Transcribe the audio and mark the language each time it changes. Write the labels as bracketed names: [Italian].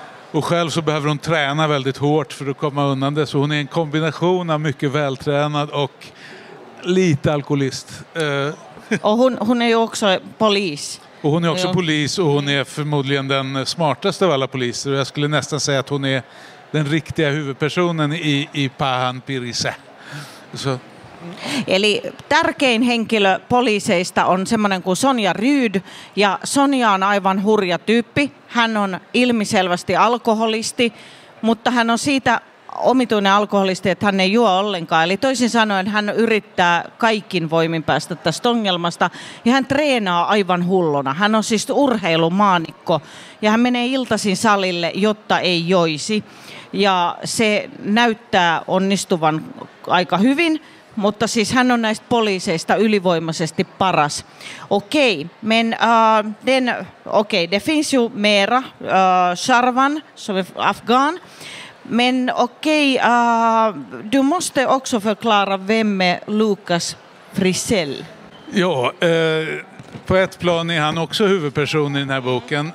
[Swedish] Och själv så behöver hon träna väldigt hårt för att komma undan det. Så hon är en kombination av mycket vältränad och lite alkoholist. Och hon är ju också polis. Och hon är också polis och hon är förmodligen den smartaste av alla poliser. Jag skulle nästan säga att hon är den riktiga huvudpersonen i Pahan Pirise. Så. [Finnish] Eli tärkein henkilö poliiseista on semmoinen kuin Sonja Ryd, ja Sonja on aivan hurja tyyppi. Hän on ilmiselvästi alkoholisti, mutta hän on siitä omituinen alkoholisti, että hän ei juo ollenkaan. Eli toisin sanoen hän yrittää kaikin voimin päästä tästä ongelmasta, ja hän treenaa aivan hulluna. Hän on siis urheilumaanikko, ja hän menee iltaisin salille, jotta ei joisi. Ja se näyttää onnistuvan aika hyvin. Mutta siis hän on näistä poliiseista ylivoimaisesti paras. [Swedish] Okej, men den okej, det finns ju mera Sharvan som är afghan. Men okej, du måste också förklara vem är Lukas Frisell. Ja, på ett plan är han också huvudperson i den här boken.